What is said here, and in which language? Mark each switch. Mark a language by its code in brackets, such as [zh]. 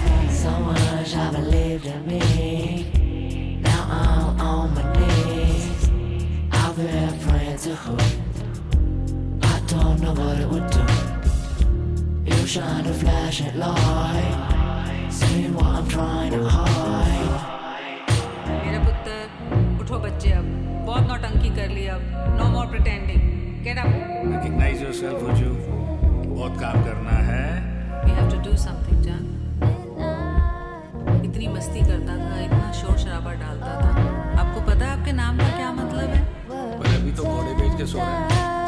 [en] So much I believed in me. Now I'm on my knees. I've been praying to who? I don't know what it would do. You shine a flashing light. Seeing what I'm trying to hide. [hi] मेरा पुत्ता, उठो बच्चे अब. बहुत नौटंकी कर ली अब. [en] No more pretending. Get up. Recognize yourself, would you? [hi] Bahut kaam karna hai. [en] We have to do something, John. [hi] इतनी मस्ती करता था, इतना शोर शराबा डालता था. आपको पता है आपके नाम का क्या मतलब है? पर अभी तो घोड़े बेच के सो रहे हैं.